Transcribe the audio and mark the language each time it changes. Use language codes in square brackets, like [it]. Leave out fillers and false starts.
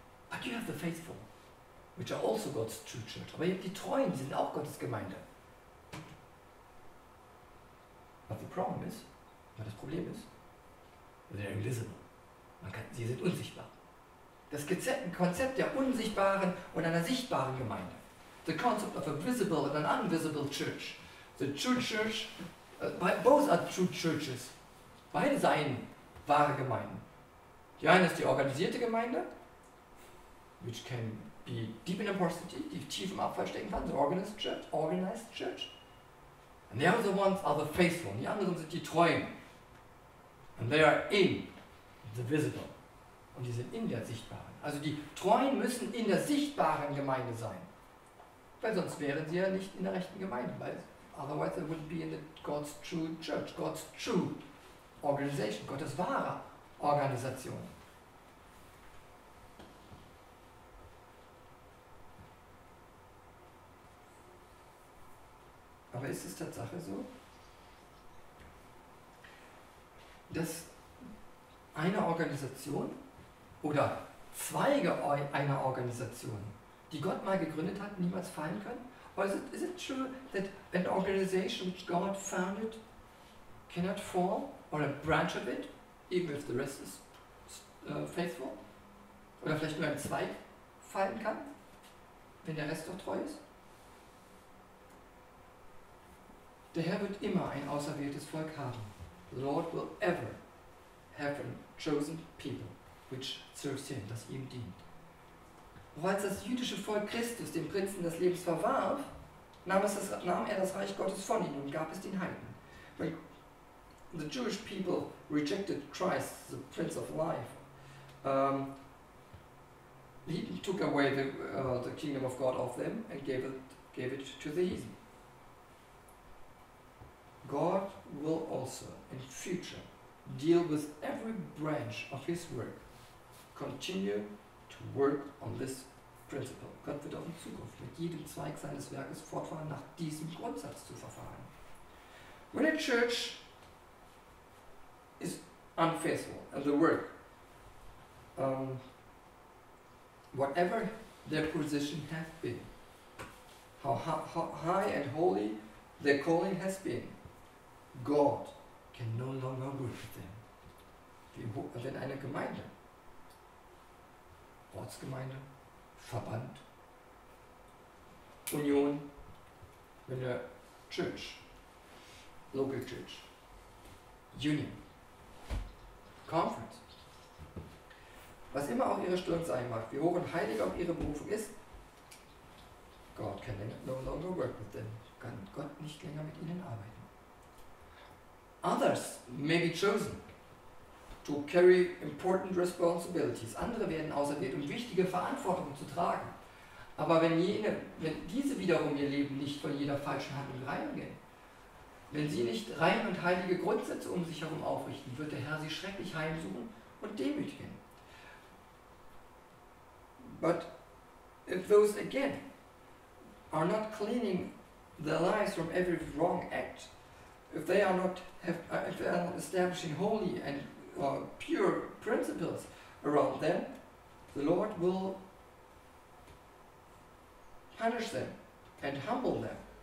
[en] But you have the faithful, which are also God's true church. [de] Aber ihr habt die Treuen, die sind auch Gottes Gemeinde. [en] But the problem is, [de] das Problem ist, [en] they're invisible. [de] Sie sind unsichtbar. Das Konzept der unsichtbaren und einer sichtbaren Gemeinde. [en] The concept of a visible and an invisible church. The true church, both are true churches. [de] Beide seien wahre Gemeinden. Die eine ist die organisierte Gemeinde, [en] which can be deep in apostasy, [de] die tief im Abfall stecken kann, [en] the organized church. And the other ones are the faithful. [de] Die anderen sind die Treuen. [en] And they are in the visible. [de] Und die sind in der sichtbaren. Also die Treuen müssen in der sichtbaren Gemeinde sein. Weil sonst wären sie ja nicht in der rechten Gemeinde. Weil [en] otherwise they wouldn't be in the God's true church, God's true organization, [de] Gottes wahre Organisation. Aber ist es Tatsache so, dass eine Organisation oder Zweige einer Organisation, die Gott mal gegründet hat, niemals fallen können? [en] Or is it true that an organization which God founded cannot fall, or a branch of it, even if the rest is faithful? [de] Oder vielleicht nur ein Zweig fallen kann? wenn der Rest doch treu ist? Der Herr wird immer ein auserwähltes Volk haben. [en] The Lord will ever have a chosen people, which serves him, [de] das ihm dient. Doch als das jüdische Volk Christus dem Prinzen des Lebens verwarf, nahm er das Reich Gottes von ihnen und gab es den Heiden. [en] When the Jewish people rejected Christ, the Prince of Life, he took away the kingdom of God off them and gave it to the heathen. God will also, in future, deal with every branch of his work, continue to work on this principle. [de] Gott wird auch in Zukunft mit jedem Zweig seines Werkes fortfahren, nach diesem Grundsatz zu verfahren. [en] When a church is unfaithful and the work, whatever their position has been, how high and holy their calling has been, God can no longer work with them. [de] Wenn eine Gemeinde, Ortsgemeinde, Verband, Union, wenn eine Church, Local Church, Union, Conference, was immer auch ihre Stirn sein mag, wie hoch und heilig auch ihre Berufung ist, [en] God can no longer work with them. [de] Kann Gott nicht länger mit ihnen arbeiten. [en] Others may be chosen to carry important responsibilities. [de] Andere werden auserwählt, um wichtige Verantwortung zu tragen. Aber wenn diese wiederum ihr Leben nicht von jeder falschen Handlung reinigen, wenn sie nicht rein und heilige Grundsätze um sich herum aufrichten, wird der Herr sie schrecklich heimsuchen und demütigen. [en] But if those again are not cleaning their lives from every wrong act, if they are not establishing holy and pure principles around them, the Lord will punish them and humble them.